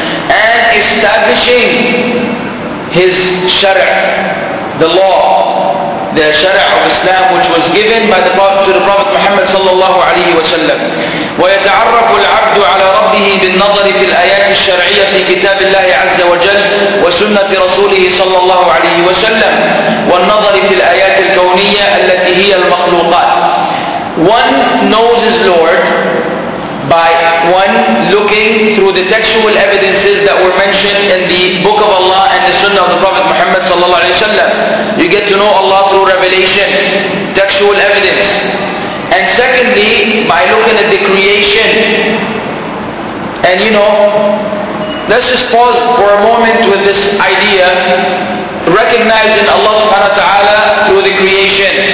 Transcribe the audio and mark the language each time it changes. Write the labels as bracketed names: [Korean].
[English] And establishing his shari', the law, the shari' of Islam which was given by the Prophet, to the Prophet Muhammad [Arabic] صَلَّى اللَّهُ عَلَيْهِ وَسَلَّمُ. ويتعرف العبد على ربه بالنظر في الآيات الشرعية في كتاب الله عز وجل وسنة رسوله صلى الله عليه وسلم والنظر في الآيات الكونية التي هي المخلوقات. [English] One knows his Lord by one looking through the textual evidences that were mentioned in the Book of Allah and the Sunnah of the Prophet Muhammad [Arabic] صلى الله عليه وسلم. [English] You get to know Allah through revelation, textual evidence. And secondly, by looking at the creation. And you know, let's just pause for a moment with this idea, recognizing Allah subhanahu wa ta'ala through the creation.